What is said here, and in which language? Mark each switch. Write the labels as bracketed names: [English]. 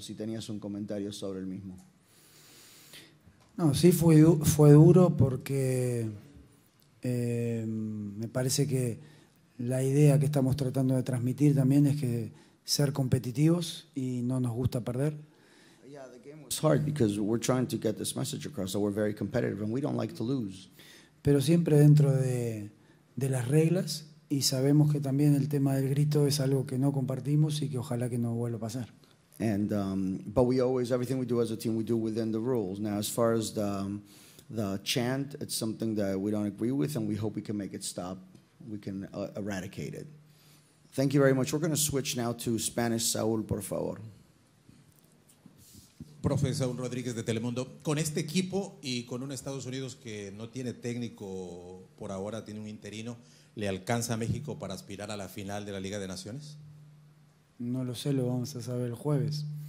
[Spanish] Si tenías un comentario sobre el mismo. No, sí fue duro porque me parece que la idea que estamos tratando de transmitir también es que ser competitivos y no nos gusta perder. [English] Yeah, the game was hard because we're trying to get this message across that we're very competitive and we don't like to lose. [Spanish] Pero siempre dentro de las reglas, y sabemos que también el tema del grito es algo que no compartimos y que ojalá que no vuelva a pasar. [English] And but we always, everything we do as a team, we do within the rules. Now, as far as the chant, it's something that we don't agree with, and we hope we can make it stop. We can eradicate it. Thank you very much. We're going to switch now to Spanish. [Spanish] Saúl, por favor. Profe Saúl Rodríguez de Telemundo, con este equipo y con un Estados Unidos que no tiene técnico por ahora, tiene un interino, ¿le alcanza a México para aspirar a la final de la Liga de Naciones? No lo sé, lo vamos a saber el jueves.